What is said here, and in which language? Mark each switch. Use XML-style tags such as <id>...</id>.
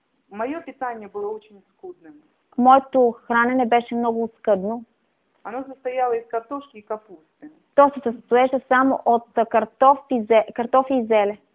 <ru>Мое питание было очень скудным.</ru> <bg>Моето хранене беше много скъдно.</bg> <ru>Оно состояло из картошки и капусты.</ru> <bg>То се състоеше само от картофи и зеле.</bg>